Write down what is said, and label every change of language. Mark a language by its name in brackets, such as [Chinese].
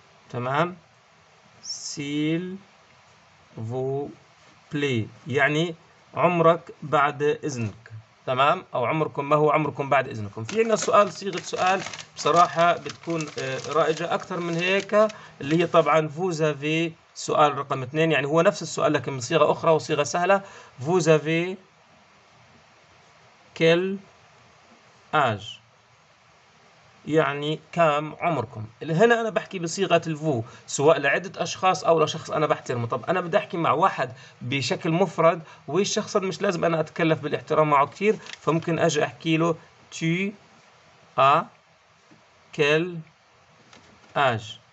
[Arabic] تمام؟ سيل فو بلي يعني عمرك بعد إذنك، تمام؟ أو عمركم، ما هو عمركم بعد إذنكم. في عندنا سؤال صيغة سؤال بصراحة بتكون رائجة أكثر من هيك، اللي هي طبعا فوزافي سؤال رقم 2، يعني هو نفس السؤال لكن بصيغة أخرى وصيغة سهلة. [French] vous avez quel âge، [Arabic] يعني كم عمركم. هنا أنا بحكي بصيغة الفو سواء لعدة أشخاص أو لشخص أنا بحترمه. طب أنا بدي أحكي مع واحد بشكل مفرد والشخص مش لازم أنا أتكلف بالاحترام معه كثير، فممكن أجي أحكي له [French] tu as quel âge.